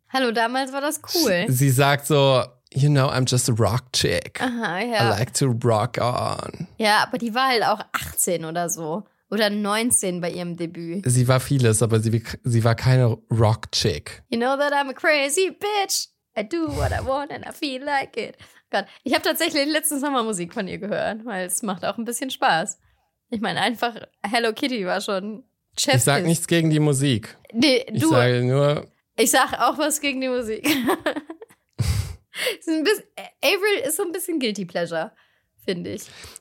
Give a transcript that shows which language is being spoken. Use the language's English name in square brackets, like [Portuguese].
[German] Hallo, damals war das cool. Sie sagt so, [English] you know, I'm just a rock chick. I like to rock on. [German] Ja, aber die war halt auch 18 oder so. Oder 19 bei ihrem Debüt. Sie war vieles, aber sie war keine rock chick. [English] You know that I'm a crazy bitch. I do what I want and I feel like it. [German] Gott, ich habe tatsächlich letztens nochmal Musik von ihr gehört, weil es macht auch ein bisschen Spaß. Ich meine, einfach Hello Kitty war schon Chef. Ich sag nichts gegen die Musik. Nee, du. Ich sage nur, ich sag auch was gegen die Musik. Avril ist so ein bisschen Guilty Pleasure, finde ich.